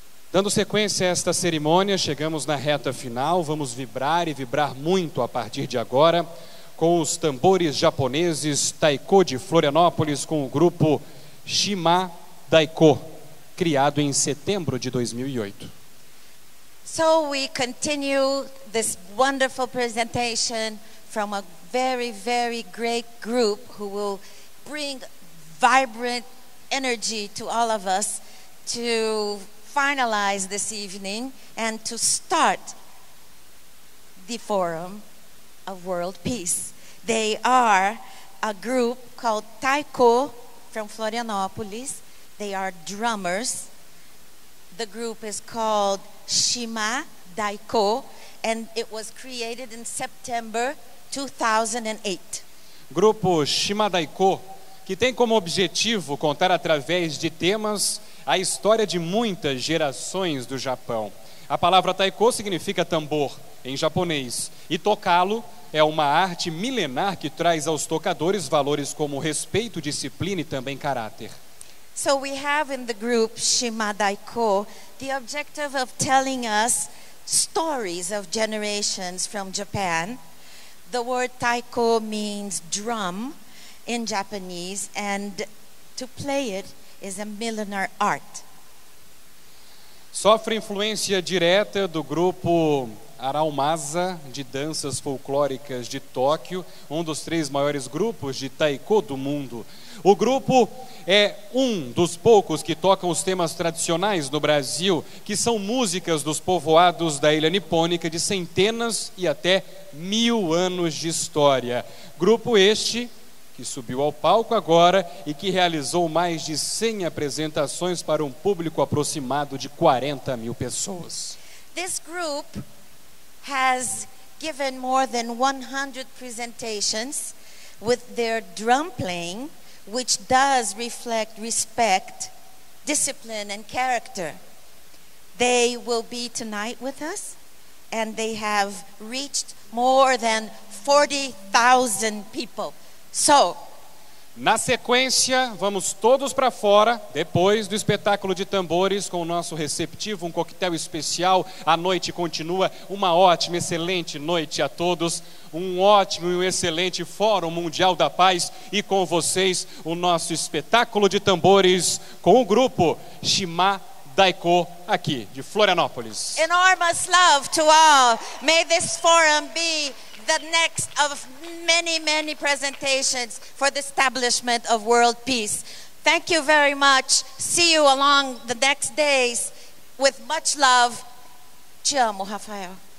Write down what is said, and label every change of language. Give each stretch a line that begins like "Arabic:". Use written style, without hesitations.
Portuguese: Dando sequência a esta cerimônia, chegamos na reta final, vamos vibrar e vibrar muito a partir de agora com os tambores japoneses Taiko de Florianópolis, com o grupo Shima Daiko, criado em setembro de 2008.
English: So we continue this wonderful presentation from a very, very great group who will bring vibrant energy to all of us to finalize this evening and to start the Forum of World Peace. They are a group called Taiko from Florianópolis. They are drummers. The group is called Shima Daiko, and it was created in September 2008.
Portuguese: Grupo Shima Daiko, que tem como objetivo contar através de temas a história de muitas gerações do Japão. A palavra Taiko significa tambor em japonês, e tocá-lo é uma arte milenar que traz aos tocadores valores como respeito, disciplina e também caráter.
English: So we have in the group Shima Daiko the objective of telling us stories of generations from Japan. The word Taiko means drum in Japanese, and to play it is a millenar art.
Portuguese: Sofre influência direta do grupo Araumaza, de danças folclóricas de Tóquio, um dos três maiores grupos de taiko do mundo. O grupo é um dos poucos que tocam os temas tradicionais no Brasil, que são músicas dos povoados da Ilha Nipônica de centenas e até mil anos de história. Grupo este que subiu ao palco agora e que realizou mais de 100 apresentações para um público aproximado de 40 mil pessoas.
English: This group has given more than 100 presentations with their drum playing, which does reflect respect, discipline and character. They will be tonight with us, and they have reached more than 40,000 people. So,
Portuguese: na sequência, vamos todos para fora, depois do espetáculo de tambores, com o nosso receptivo, um coquetel especial. A noite continua. Uma ótima, excelente noite a todos. Um ótimo e um excelente Fórum Mundial da Paz. E com vocês, o nosso espetáculo de tambores, com o grupo Shima Daiko, aqui de Florianópolis.
English: Enormous love to all. May this forum be the next of many, many presentations for the establishment of world peace. Thank you very much. See you along the next days with much love.
Portuguese: Te amo, Rafael.